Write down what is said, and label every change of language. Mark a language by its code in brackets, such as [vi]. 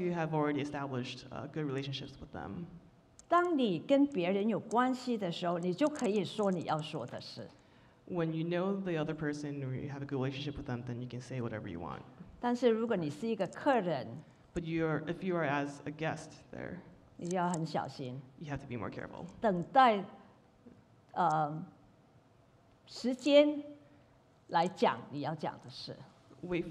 [en] you have already established good relationships with them. [zh] 当你跟别人有关系的时候，你就可以说你要说的事。 [en] When you know the other person or you have a good relationship with them, then you can say whatever you want. [zh] 但是如果你是一个客人， [en] But if you are as a guest there, [zh] 你要很小心。 [en] You have to be more careful. [zh] 等待时间来讲你要讲的事。 [en] Wait